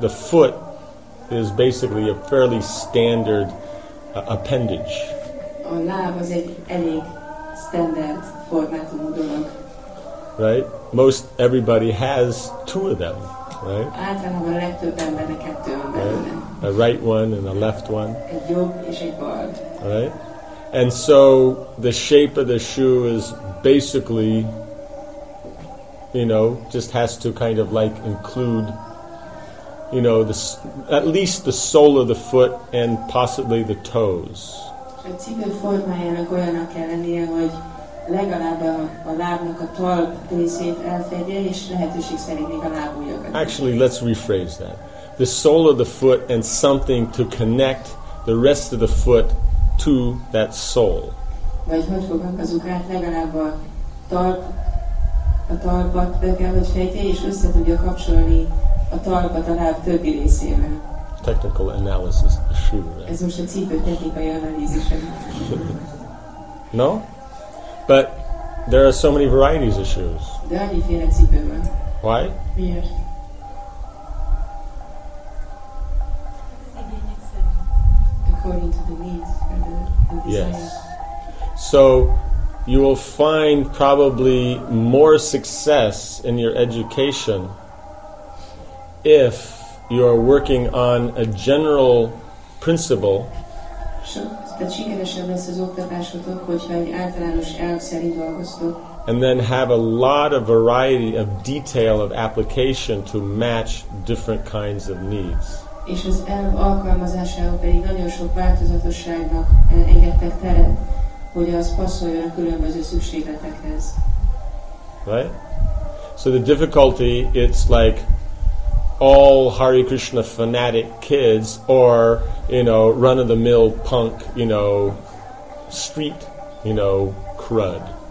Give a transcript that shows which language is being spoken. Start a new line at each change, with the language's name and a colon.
English: The foot is basically a fairly standard appendage.
Hungarian: A láb az egy elég standard formátumú dolog.
English: Right? Most everybody has two of them, right?
Hungarian: Általában a legtöbb embernek kettő van belőle.
English: A right one and a left one.
Hungarian: Egy jobb és egy bal.
English: Right? And so the shape of the shoe is basically, you know, just has to kind of like include you know, the, at least the sole of the foot and possibly the toes.
Hungarian: A cipő formájának olyannak kell lennie, hogy legalább a lábnak a talp részét elfedje, és lehetőség szerint még a lábujjakat.
English: Actually, let's rephrase that. The sole of the foot and something to connect the rest of the foot to that sole.
Hungarian: Vagy hogy fogalmazunk rá, legalább a talp, a talpat be kell, hogy fejtje, és össze tudja kapcsolni a talpat a láb többi részével.
English: Technical analysis, the shoe.
Hungarian: Ez most a cipő technikai analízise.
English: No? But there are so many varieties of shoes.
Hungarian: De annyiféle cipő van.
English: Why?
Hungarian: Miért?
English: According to the needs or the desire. Yes. So you will find probably more success in your education if you are working on a general principle. And then have a lot of variety of detail of application to match different kinds of needs.
Hungarian: És az elv alkalmazásához pedig nagyon sok változatosságnak engedtek teret, hogy az passzoljon a különböző szükségletekhez.
English: Right? So the difficulty, it's like all Hare Krishna fanatic kids or, you know, run-of-the-mill punk, you know, street, you know, crud.